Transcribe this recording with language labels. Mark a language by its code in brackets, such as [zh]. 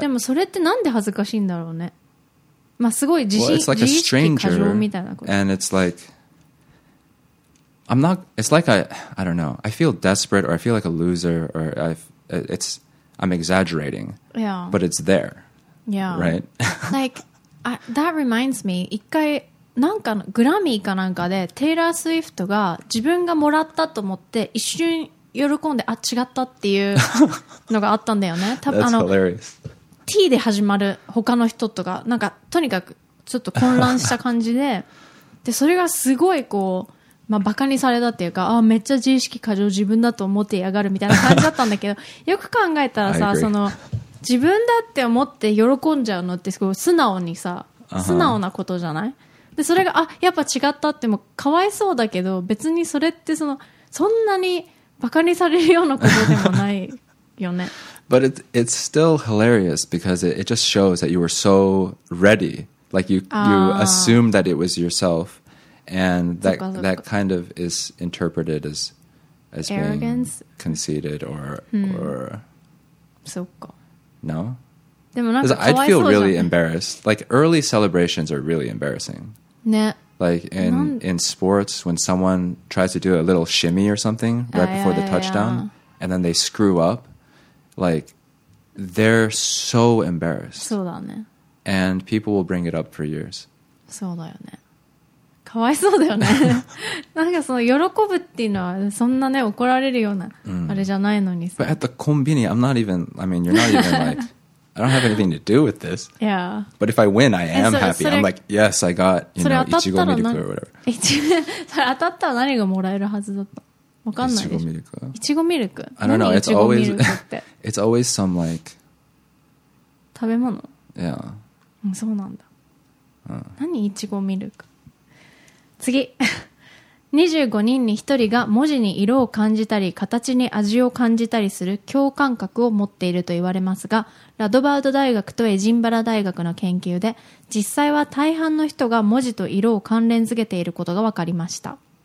[ja] でもそれってなんで恥ずかしいんだろうね。まあすごい自信、 [en] well, like、 [ja] 自意識過剰みたいなこと。 [en] And it's like, I'm not, it's like I don't know, I feel desperate or I feel like a loser or I'm exaggerating. Yeah. But it's there. Yeah. Right? Like, that reminds me, [ja] 一回なんかのグラミーかなんかでテイラー・スウィフトが自分がもらったと思って一瞬喜んであ違ったっていうのがあったんだよね。 [en] That's hilarious. [ja] T で始まる他の人とかなんかとにかくちょっと混乱した感じで、でそれがすごいこう、まあ、バカにされたっていうか、あめっちゃ自意識過剰自分だと思ってやがるみたいな感じだったんだけど、よく考えたらさ、その自分だって思って喜んじゃうのってすごい素直にさ、素直なことじゃない、uh-huh. でそれがあやっぱ違ったってもかわいそうだけど、別にそれってそのそんなにバカにされるようなことでもないよね。 [en] But it's still hilarious because it just shows that you were so ready. Like you assumed that it was yourself. And that kind of is interpreted as arrogance? Being conceited or,、 hmm. or... [ja] そうか。 [en] No? [ja] でもなんかかわいそうじゃん。 [en] I'd feel really embarrassed. Like early celebrations are really embarrassing. [ja] ね。 [en] Like in sports, when someone tries to do a little shimmy or something right before the touchdown, and then they screw up, like, they're so embarrassed. [ja] そうだね。 [en] And people will bring it up for years. [ja] そうだよね。かわいそうだよね。なんかその喜ぶっていうのはそんなね怒られるようなあれじゃないのにさ。 [en] But at the konbini, I'm not even, I mean, you're not even like, I don't have anything to do with this. Yeah. But if I win, I am happy. I'm like, yes, I got, you know, Ichigo Miracle or whatever. [ja] それ当たったら何がもらえるはずだった。わかんないでしょ。 [en] Ichigo Miracle? I don't know. It's always some like... [ja] 食べ物? [en] Yeah. [ja] そうなんだ。何 Ichigo Miracle? 次25人に1人が文字に色を感じたり形に味を感じたりする共感覚を持っていると言われますが、ラドバード大学とエジンバラ大学の研究で実際は大半の人が文字と色を関連づけていることが分かりました。